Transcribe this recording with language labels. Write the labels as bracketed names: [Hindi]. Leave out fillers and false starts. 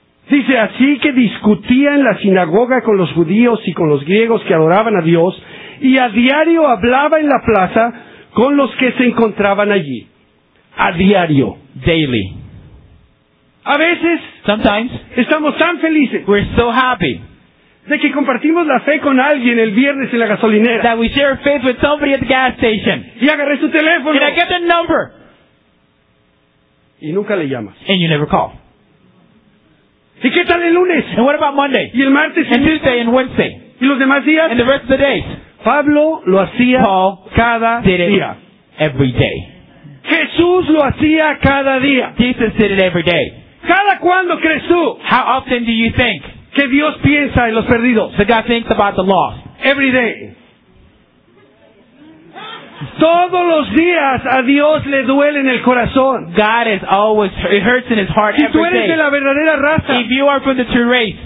[Spanish] Dice, así que discutía en la sinagoga con los judíos y con los griegos que adoraban a Dios, y a diario hablaba en la plaza con los que se encontraban allí. A diario. [English] Daily. [Spanish] A veces. [English] Sometimes. [Spanish] Estamos tan felices. [English] We're so happy. [Spanish] De que compartimos la fe con alguien el viernes en la gasolinera. [English] That we share faith with somebody at the gas station. [Spanish] Y agarré su teléfono. [English] And I get the number. [Spanish] Y nunca le llamas. [English] And you never call. [Spanish] ¿Y qué tal el lunes? [English] And what about Monday? [Spanish] Y el martes. [English] And Tuesday and Wednesday. [Spanish] ¿Y los demás días? [English] And the rest of the days. [Spanish] Pablo lo hacía cada día. [English] Every day. [Spanish] Jesús lo hacía cada día. [English] Jesus did it every day. [Spanish] ¿Cada cuándo crees tú? [English] How often do you think? [Spanish] Que Dios piensa en los perdidos. [English] That God thinks about the lost. Every day. [Spanish] Todos los días a Dios le duele en el corazón. [English] God is always, it hurts in his heart [Spanish] si tú eres [English] every day. [Spanish] De la verdadera raza, [English] if you are from the true race,